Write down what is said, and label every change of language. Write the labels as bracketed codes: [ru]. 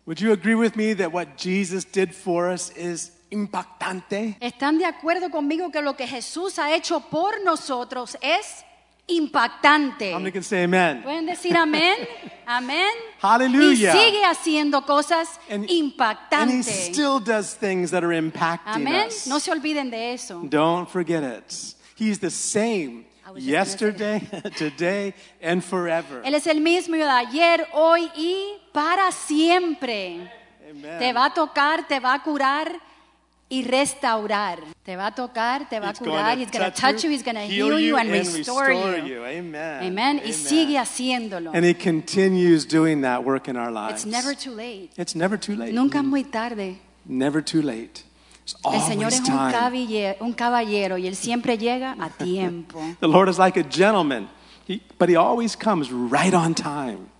[en] Would you agree with me that what Jesus did for us is impactante? [es] ¿Están de acuerdo conmigo que lo que Jesús ha hecho por nosotros es impactante? [en] How many can say amen? [es] ¿Pueden decir amén? Amén. [en] Hallelujah. [es] Y sigue haciendo cosas impactantes. [en] And he still does things that are impacting amen. Us. [es] No se olviden de eso. [en] Don't forget it. He's the same yesterday, today, and forever. [es] Él es el mismo de ayer, hoy y para siempre. [en] Amen. [es] Te va a tocar, te va a curar y restaurar. Te va a tocar, te va [en] he's [es] a curar. [en] Going he's going to touch you, he's going to heal you, and restore you. Amen. [es] Amen. Amen. Y sigue haciéndolo. [en] And he continues doing that work in our lives. It's never too late. It's never too late. [es] Nunca muy tarde. [en] Never too late. [es] El Señor es un caballero y él siempre llega a tiempo. [en] The Lord is like a gentleman, but he always comes right on time.